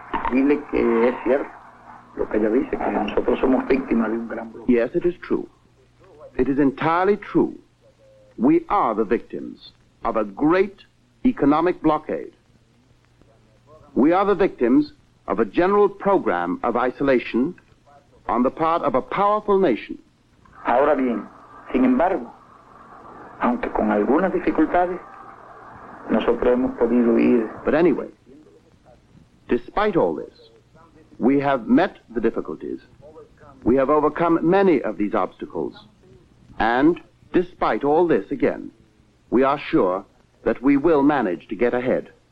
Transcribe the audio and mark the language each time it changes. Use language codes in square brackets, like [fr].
[es] Dile que es cierto lo que ella dice, que nosotros somos víctimas de un gran bloqueo. [en] Yes, it is true. It is entirely true. We are the victims of a great economic blockade. We are the victims of a general program of isolation on the part of a powerful nation. [es] Ahora bien, Sin embargo, aunque con algunas dificultades, nosotros hemos podido ir... [en] But anyway, despite all this, we have met the difficulties. We have overcome many of these obstacles. And despite all this, again, we are sure that we will manage to get ahead.